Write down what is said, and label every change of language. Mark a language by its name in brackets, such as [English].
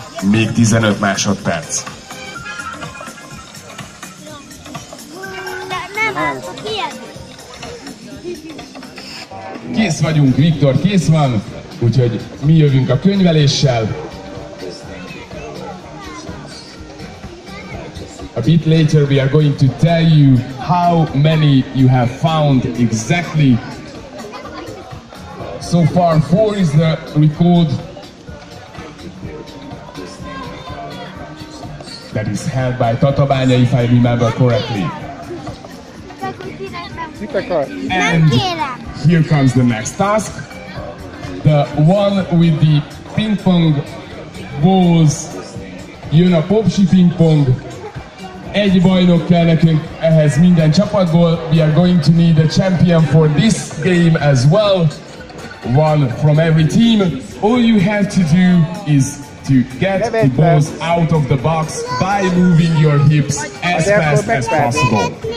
[Hungarian] Még 15 másodperc. Nem, akkor kijelni. Kész vagyunk, Viktor, kész van. Úgyhogy mi jövünk a könyveléssel. [English] A bit later we are going to tell you how many you have found exactly. So far 4 is the record that is held by Tatabánya, if I remember correctly. And here comes the next task. The one with the ping pong balls, you know, Popsi ping pong. [Hungarian] Egy bajnok kell nekünk ehhez minden csapatból. [English] We are going to need a champion for this game as well. One from every team. All you have to do is to get the balls out of the box by moving your hips as fast as possible.